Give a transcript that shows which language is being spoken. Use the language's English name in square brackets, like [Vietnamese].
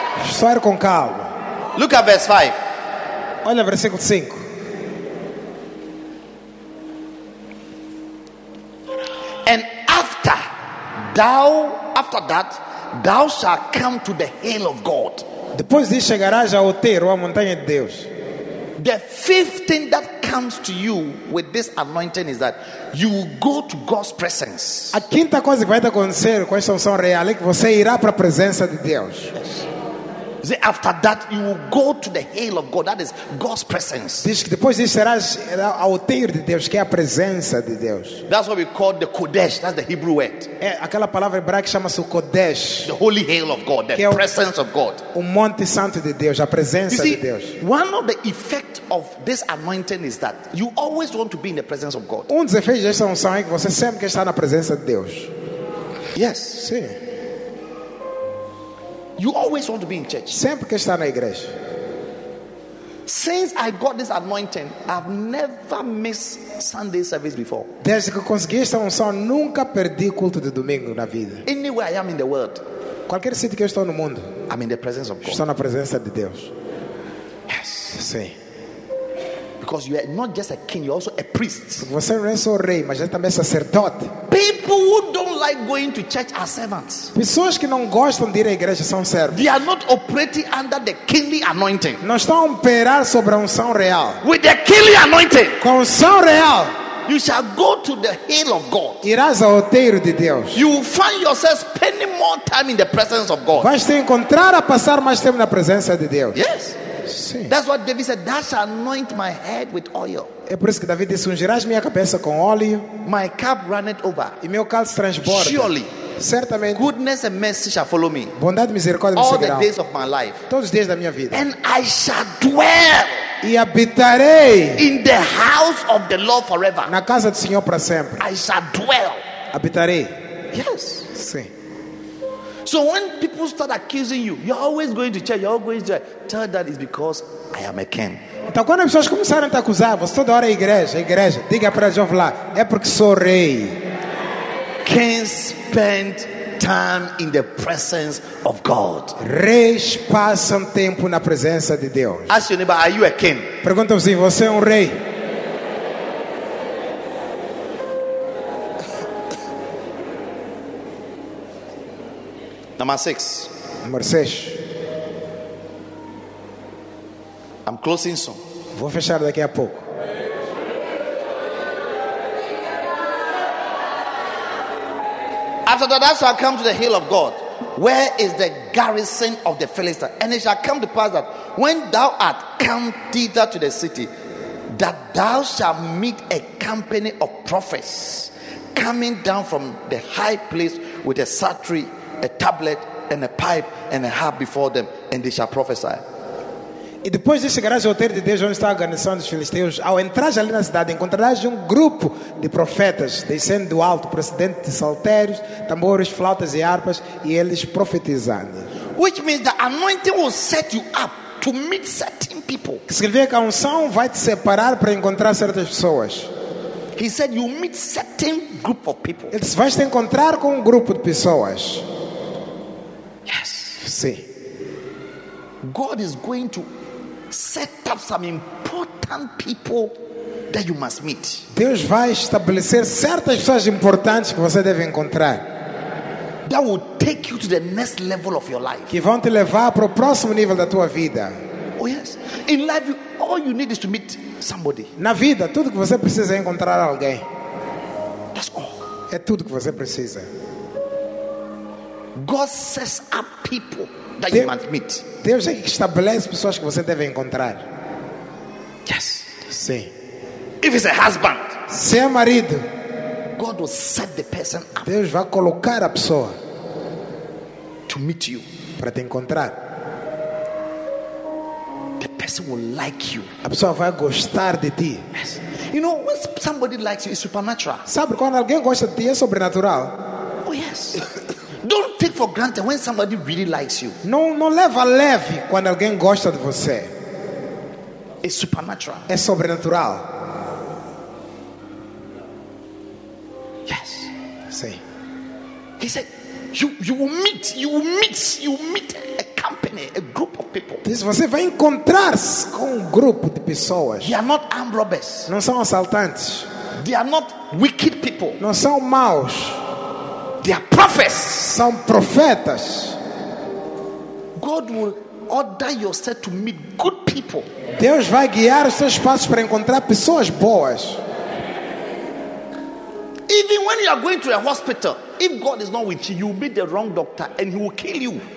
[Portuguese] Sair com calma. [English] Look at verse 5. [Portuguese] Olha o versículo 5. [English] And after thou After that, thou shalt come to the hill of God. [Portuguese] Depois disso chegarás ao outeiro, à montanha de Deus. [English] The fifth thing that comes to you with this anointing is that you will go to God's presence. [Portuguese] A quinta coisa que vai te acontecer com esta unção real é que você irá para a presença de Deus. [English] Yes. See, after that, you will go to the hill of God. That is God's presence. [Portuguese] Diz que depois disso serás ao outeiro de Deus, que é a presença de Deus. [English] That's what we call the Kodesh. That's the Hebrew word. [Portuguese] É aquela palavra hebraica que chama-se o Kodesh. [English] The holy hill of God, the presence of God. [Portuguese] O monte santo de Deus, a presença [English] see, [Portuguese] de Deus. [English] One of the effects of this anointing is that you always want to be in the presence of God. [Portuguese] Um dos efeitos dessa unção é que você sempre quer estar na presença de Deus. [English] Yes. [Portuguese] Sim. [English] You always want to be in church. [Portuguese] Sempre que está na igreja. [English] Since I got this anointing, I've never missed Sunday service before. [Portuguese] Desde que consegui esta unção, nunca perdi culto de domingo na vida. [English] Anywhere I am in the world, [Portuguese] qualquer sítio que eu estou no mundo, [English] I'm in the presence of God. [Portuguese] Estou na presença de Deus. [English] Yes. [Portuguese] Sim. [English] Because you are not just a king, you're also a priest. [Portuguese] Você não é só rei, mas é também sacerdote. [English] People who don't like going to church are servants. [Portuguese] Pessoas que não gostam de ir à igreja são servos. [English] They are not operating under the kingly anointing. [Portuguese] Não estão a operar sobre a unção real. [English] With the kingly anointing. [Portuguese] Com a unção real. [English] You shall go to the hill of God. [Portuguese] Irás ao outeiro de Deus. [English] You will find yourself spending more time in the presence of God. [Portuguese] Vais te encontrar a passar mais tempo na presença de Deus. [English] Yes. [Portuguese] Sim. [English] That's what David said. Thou shalt anoint my head with oil. [Portuguese] É por isso que David disse: ungirás minha cabeça com óleo. [English] My cup runneth over. [Portuguese] E meu cálice transborda. [English] Surely, [Portuguese] certamente. [English] Goodness and mercy shall follow me. [Portuguese] Bondade e misericórdia me seguirão. [English] All the days of my life. [Portuguese] Todos os dias da minha vida. [English] And I shall dwell. [Portuguese] e habitarei [English] in the house of the Lord forever. [Portuguese] Na casa do Senhor para sempre. [English] I shall dwell. [Portuguese] Habitarei. [English] Yes. [Portuguese] Sim. [English] So when people start accusing you, you're always going to church, you're always going to church. Tell that it's because I am a king. [Portuguese] Então quando as pessoas começaram a te acusar, você toda hora é igreja, igreja. Diga para a jovem lá, é porque sou rei. [English] Kings spend time in the presence of God. [Portuguese] Reis passam tempo na presença de Deus. [English] Ask your neighbor, are you a king? [Portuguese] Pergunta você, você é rei? [English] Number six. [Portuguese] Número 6. [English] I'm closing soon. [Portuguese] Vou fechar daqui a pouco. [English] After that, I shall come to the hill of God, where is the garrison of the Philistines. And it shall come to pass that when thou art come thither to the city, that thou shalt meet a company of prophets coming down from the high place with a psaltery, a tablet, and a pipe, and a harp before them, and they shall prophesy. [Portuguese] E depois de chegarás ao terreiro de Deus, onde está a garnição dos filisteus, ao entrares ali na cidade, encontrarás um grupo de profetas descendo do alto, procedente de saltérios, tambores, flautas e harpas, e eles profetizando. [English] Which means the anointing will set you up to meet certain people. [Portuguese] Que significa que a unção vai te separar para encontrar certas pessoas. [English] He said you meet certain group of people. [Portuguese] Ele disse, vais te encontrar com um grupo de pessoas. [English] Yes. [Portuguese] Sim. [English] God is going to set up some important people that you must meet. [Portuguese] Deus vai estabelecer certas pessoas importantes que você deve encontrar. [English] That will take you to the next level of your life. [Portuguese] Que vão te levar para o próximo nível da tua vida. [English] Oh yes. In life, all you need is to meet somebody. [Portuguese] Na vida, tudo que você precisa é encontrar alguém. [English] That's all. [Portuguese] É tudo que você precisa. [English] God sets up people that you must meet. [Portuguese] Deus é que estabelece pessoas que você deve encontrar. [English] Yes. [Portuguese] Sim. [English] If it's a husband, [Portuguese] se é marido, [English] God will set the person up. [Portuguese] Deus vai colocar a pessoa [English] to meet you. [Portuguese] Para te encontrar. [English] The person will like you. [Portuguese] A pessoa vai gostar de ti. [English] Yes. You know, when somebody likes you, it's supernatural. [Portuguese] Sabe quando alguém gosta de ti é sobrenatural. [English] Oh yes. Don't take for granted when somebody really likes you. [Portuguese] Não leva leve quando alguém gosta de você. [English] It's supernatural. [Portuguese] É sobrenatural. [English] Yes. [Portuguese] Sim. [English] He said, you will meet a company, a group of people. [Portuguese] Diz, você vai encontrar-se com um grupo de pessoas. [English] They are not armed robbers. [Portuguese] Não são assaltantes. [English] They are not wicked people. [Portuguese] Não são maus. [English] They are prophets. [Portuguese] São profetas. [English] God will order yourself to meet good people. [Portuguese] Deus vai guiar os seus passos para encontrar pessoas boas. [English] Even when you are going to a hospital, if God is not with you, you will meet the wrong doctor and he will kill you.